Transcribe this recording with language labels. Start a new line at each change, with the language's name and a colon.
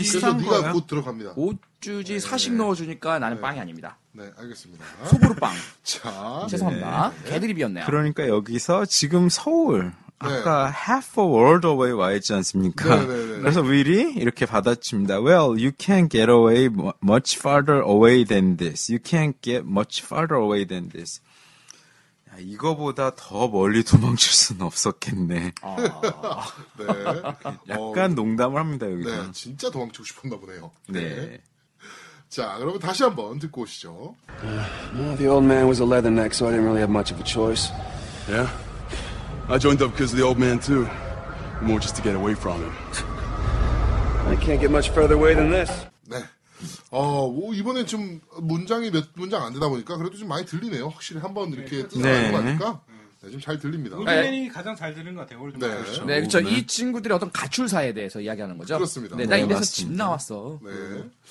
Korean: 비슷한 거예요. 그래서 네가 곧 들어갑니다. 옷 주지 네. 사식 넣어주니까 나는 네. 빵이 아닙니다. 네, 알겠습니다. 속으로 빵. 자, 죄송합니다. 네. 개드립이었네요. 그러니까 여기서 지금 서울 아까 네.
English: half a world away
Korean: 와 있지 않습니까? 네, 네, 네, 그래서 네. 위리 이렇게 받아칩니다.
English: Well, you can't get away much farther away than this. You can't get much farther away than this.
Korean: 야, 이거보다 더 멀리 도망칠 수는 없었겠네. 아. 네. 약간 농담을 합니다 여기서. 네, 진짜 도망치고 싶었나 보네요. 네. 네. 자, 그러면 다시 한번 듣고 오시죠.
English: Well, the old man was a leatherneck, so I didn't really have much of a choice. Yeah? I joined up because of the old man, too. More just to get away from him. I can't get much further away than this.
Korean: 네. 어, 뭐 이번에 좀 문장이 몇 문장 안 되다 보니까 그래도 좀 많이 들리네요. 확실히 한번 이렇게 들어가는 네. 거 아닐까? 네, 좀 잘 들립니다. 우리맨이 가장 잘 들은 것 같아요. 오늘 네. 그렇죠. 네, 그렇죠. 네. 이 친구들의 어떤 가출사에 대해서 이야기하는 거죠? 그렇습니다. 네, 나 이래서 집 나왔어. 네.